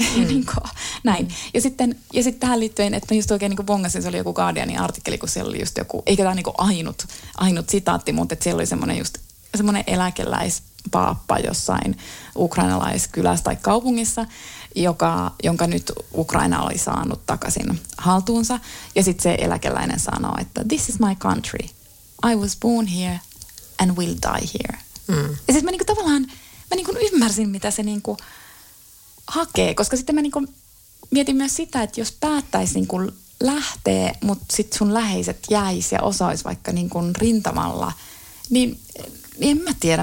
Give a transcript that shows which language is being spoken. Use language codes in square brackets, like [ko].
[fi] niin kuin, näin. Ja sitten tähän liittyen, että mä just oikein niin kuin bongasin, se oli joku Guardianin artikkeli, kun siellä oli just joku, eikä tämä niin kuin ainut sitaatti, mutta että siellä oli semmoinen just semmoinen eläkeläis paappa jossain ukrainalaiskylässä tai kaupungissa, jonka nyt Ukraina oli saanut takaisin haltuunsa. Ja sitten se eläkeläinen sanoo, että [en] this is my country. I was born here and will die here. [fi] Mm. Ja sitten mä niinku tavallaan, mä niinku ymmärsin, mitä se niinku hakee, koska sitten mä niinku mietin myös sitä, että jos päättäisi niinku lähteä, mutta sitten sun läheiset jäisi ja osa olisi vaikka niinku rintamalla, niin en mä tiedä.